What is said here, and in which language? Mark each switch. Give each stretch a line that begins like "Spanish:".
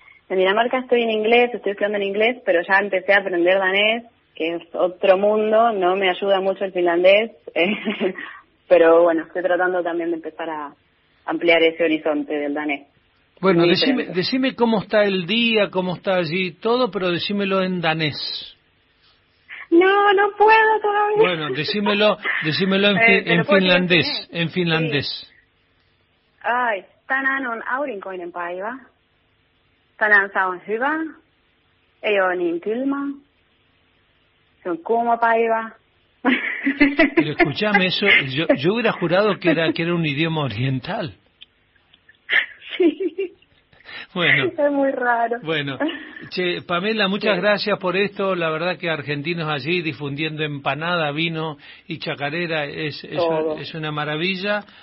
Spanish: En Dinamarca estoy estudiando en inglés, pero ya empecé a aprender danés, que es otro mundo, no me ayuda mucho el finlandés, pero bueno, estoy tratando también de empezar a ampliar ese horizonte del danés. Bueno, decime cómo está el día, cómo está allí todo, pero decímelo en danés. No puedo todavía. Bueno, decímelo en finlandés.
Finnish: Ay, tänään on aurinkoinen päivä. Tänään saa on hyvä, ei ole niin kylmä, se on kuuma päivä.
Spanish: Pero escuchame eso, yo hubiera jurado que era un idioma oriental. Bueno, es muy raro. Bueno, che, Pamela, muchas gracias por esto. La verdad que argentinos allí difundiendo empanada, vino y chacarera es una maravilla.